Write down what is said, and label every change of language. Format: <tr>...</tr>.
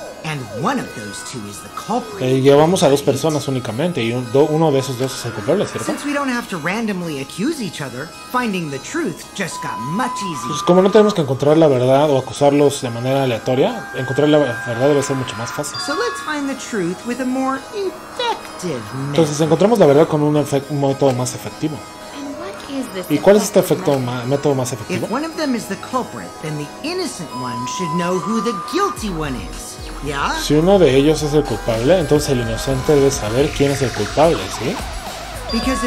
<en>And one of those two is the culprit.</en> <es>Llevamos a dos personas únicamente y uno de esos dos es el culpable, ¿cierto?</es> <en>Since we don't have to randomly accuse each other, finding the truth just got much easier.</en> <es>Pues como no tenemos que encontrar la verdad o acusarlos de manera aleatoria, encontrar la verdad debe ser mucho más fácil.</es> <en>So let's find the truth with a more effective method.</en> <es>Entonces encontramos la verdad con un método más efectivo. ¿Y cuál es este efecto método más efectivo?</es> <en>If one of them is the culprit, then the innocent one should know who the guilty one is.</en> <es>Si uno de ellos es el culpable, entonces el inocente debe saber quién es el culpable, ¿sí?</es>